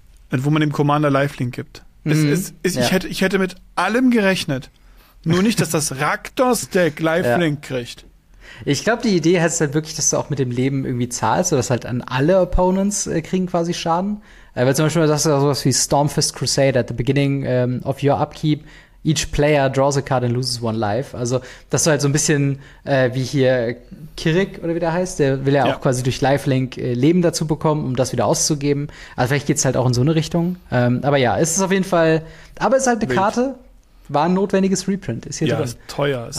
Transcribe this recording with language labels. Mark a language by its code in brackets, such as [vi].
[de] Und wo man dem Commander Lifelink gibt. Ich hätte mit allem gerechnet. Nur nicht, dass das Rakdos-Deck Lifelink kriegt. Ich glaube, die Idee heißt halt wirklich, dass du auch mit dem Leben irgendwie zahlst, sodass halt an alle Opponents kriegen quasi Schaden. Weil zum Beispiel, das ist ja sowas wie [en] Stormfist Crusade at the beginning of your upkeep. Each player draws a card and loses one life. [de] Also, das ist halt so ein bisschen wie hier Kirik, oder wie der heißt. Der will ja auch quasi durch Lifelink Leben dazu bekommen, um das wieder auszugeben. Also, vielleicht geht's halt auch in so eine Richtung. Aber ja, es ist auf jeden Fall. Aber es ist halt eine Karte. War ein notwendiges Reprint. Ist hier drin. Ja, ist teuer. Ist